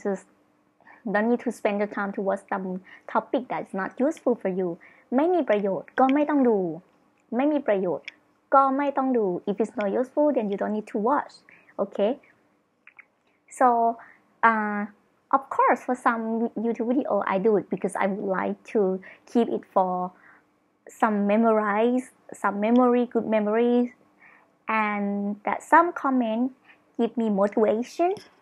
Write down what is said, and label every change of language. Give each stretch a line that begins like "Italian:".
English: Just don't need to spend the time to watch some topic that's not useful for you.
Thai: ไม่มีประโยชน์ก็ไม่ต้องดูไม่มีประโยชน์ก็ไม่ต้องดู
English: If it's not useful, then you don't need to watch. Okay. So, Of course, for some YouTube video, I do it because I would like to keep it for some good memories, and that some comment give me motivation.